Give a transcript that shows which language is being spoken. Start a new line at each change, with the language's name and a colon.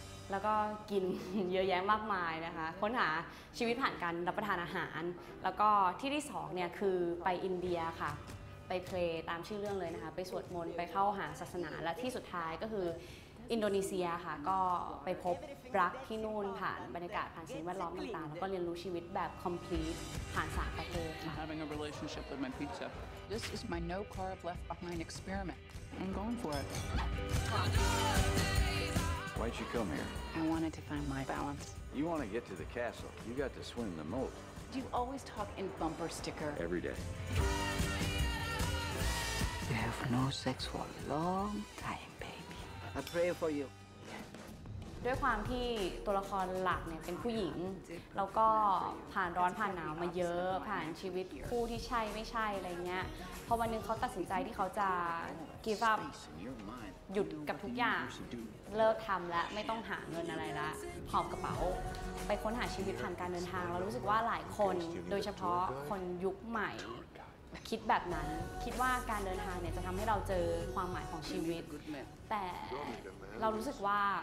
Thai: แล้วก็กินเยอะแยะมากมายนะคะค้นหาชีวิตผ่านการรับประทานอาหารแล้วก็ที่2เนี่ยคือไปอินเดียค่ะไปเพลย์ตามชื่อเรื่องเลยนะคะไปสวดมนต์ไปเข้าหาศาสนาและที่สุดท้ายก็คืออินโดนีเซียค่ะก็ไปพบรักที่นู่นผ่านบรรยากาศผ่านสิ่งแวดล้อมต่างๆแล้วก็เรียนรู้ชีวิตแบบ complete ผ่านสามประเทศ
English: Having a relationship with my pizza This is my no carb left behind experiment I'm going for it Why'd you come here? I wanted to find my balance. You want to get to the castle. You got to swim the moat. Do you always talk in bumper sticker? Every day. You have no sex for a long time, baby. I pray for you.
Thai: ด้วยความที่ตัวละครหลักเนี่ยเป็นผู้หญิงแล้วก็ผ่านร้อนผ่านหนาวมาเยอะผ่านชีวิตคู่ที่ใช่ไม่ใช่อะไรเงี้ยพอวันนึงเขาตัดสินใจที่เขาจะ
English: give up
Thai: หยุดกับทุกอย่างเลิกทำและไม่ต้องหาเงินอะไรละหอบกระเป๋าไปค้นหาชีวิตผ่านการเดินทางเรารู้สึกว่าหลายคนโดยเฉพาะคนยุคใหม่คิดแบบนั้นคิดว่าการเดินทางเนี่ยจะทำให้เราเจอความหมายของชีวิตแต่เรารู้สึกว่า